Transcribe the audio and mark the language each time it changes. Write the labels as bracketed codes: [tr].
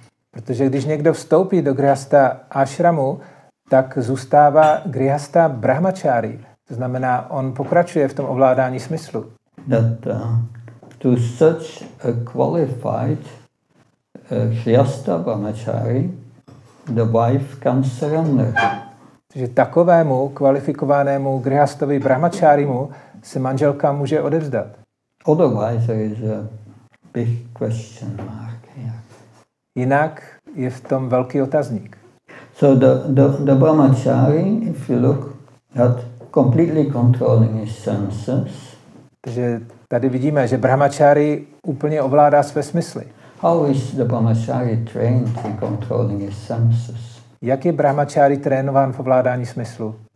[cs] Protože když někdo vstoupí do gṛhastha ashramu, tak zůstává gṛhastha brahmachari. To znamená, on pokračuje v tom ovládání smyslu. [en] That to such a qualified gṛhastha brahmachari, the wife can surrender. [cs] Takže takovému kvalifikovanému grihastovi brahmacharimu se manželka může odevzdat. [en] Otherwise there is a big question mark here. [cs] Jinak je v tom velký otazník. [en] So the brahmachari, if you look at completely controlling his senses. [cs] Takže tady vidíme, že brahmachari úplně ovládá své smysly. [en] How is the brahmachari trained in controlling his senses? [cs] Jak je brahmachari trénován v ovládání smyslu?